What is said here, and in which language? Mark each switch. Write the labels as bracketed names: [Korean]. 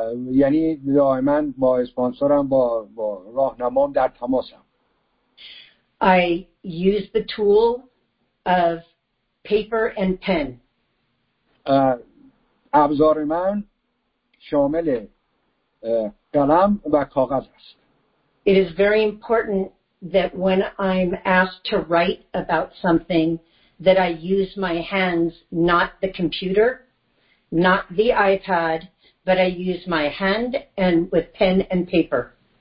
[Persian] یعنی دائما با اسپانسرم با راهنمام در تماسم. [English] I use the tool of paper and pen. [Persian] ابزار من شامل قلم و کاغذ است. [English] It is very important that when I'm asked to write about something that I use my hands, not the computer, not the iPad, but I use my hand and with pen and paper.